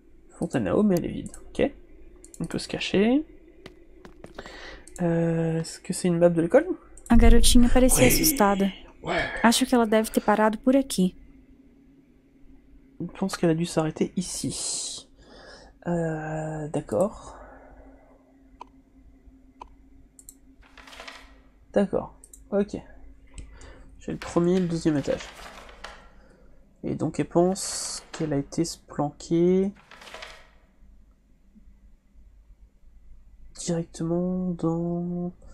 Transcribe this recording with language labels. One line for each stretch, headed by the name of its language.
French: Fontaine à eau, mais elle est vide. Ok. On peut se cacher. Est-ce que c'est une map de l'école?
Portuguese: A garotinha parecia assustada. Acho que ela deve ter parado por aqui.
French: Je pense qu'elle a dû s'arrêter ici. D'accord. D'accord. Ok. J'ai le premier et le deuxième étage. Et donc elle pense qu'elle a été se planquer directement dans...